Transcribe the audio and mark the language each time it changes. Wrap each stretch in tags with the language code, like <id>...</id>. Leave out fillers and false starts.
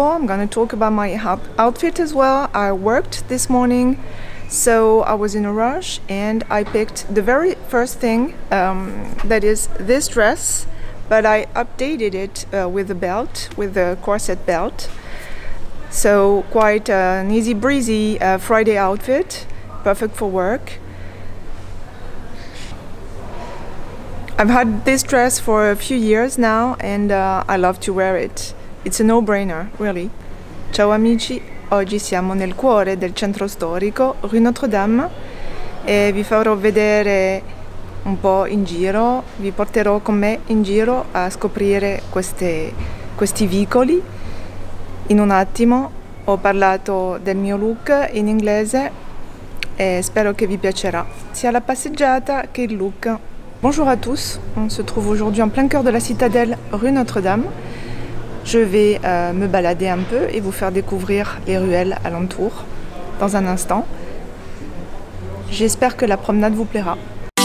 <en>I'm gonna talk about my outfit as well. I worked this morning, so I was in a rush and I picked the very first thing, that is this dress, but I updated it with a belt, with a corset belt. So quite an easy breezy Friday outfit, perfect for work. I've had this dress for a few years now and I love to wear it. It's a no-brainer, really.</en> <it>Ciao amici, oggi siamo nel cuore del centro storico, Rue Notre-Dame, e vi farò vedere un po' in giro, vi porterò con me in giro a scoprire questi vicoli. In un attimo ho parlato del mio look in inglese e spero che vi piacerà, sia la passeggiata che il look.</it> <fr>Bonjour à tous, on se trouve aujourd'hui en plein cœur de la citadelle rue Notre-Dame. Je vais me balader un peu et vous faire découvrir les ruelles alentour dans un instant. J'espère que la promenade vous plaira.</fr>